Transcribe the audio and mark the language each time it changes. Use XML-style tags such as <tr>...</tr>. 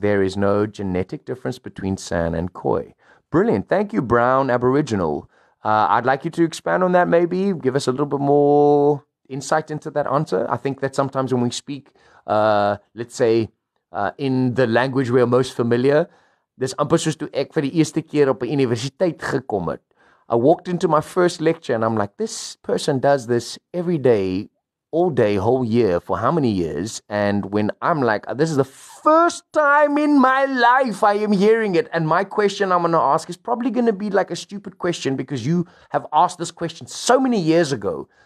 <en>There is no genetic difference between San and Khoi. Brilliant. Thank you, Brown Aboriginal. I'd like you to expand on that maybe. Give us a little bit more insight into that answer. I think that sometimes when we speak, let's say, in the language we are most familiar.</en> <af>Dis amper soos toe ek vir die eerste keer op 'n universiteit gekom het.</af> <en>I walked into my first lecture and I'm like, this person does this every day, all day, whole year, for how many years? And when I'm like, this is the first time in my life I am hearing it. And my question I'm going to ask is probably going to be like a stupid question, because you have asked this question so many years ago.</en>